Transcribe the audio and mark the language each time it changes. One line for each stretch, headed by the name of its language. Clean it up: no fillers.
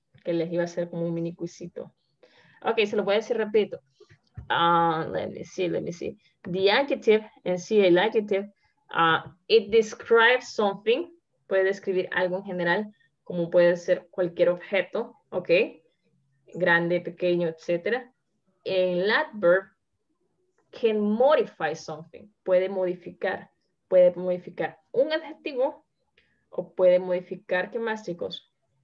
Spanish: Que les iba a hacer como un mini quizito. Ok, se lo voy a decir rapidito.
English: Let me see. The adjective, and see el adjective, it describes something.
Spanish: Puede describir algo en general, como puede ser cualquier objeto.
English: Ok,
Spanish: grande, pequeño, etcétera.
English: El adverb can modify something.
Spanish: Puede modificar un adjetivo o puede modificar, ¿qué más, chicos?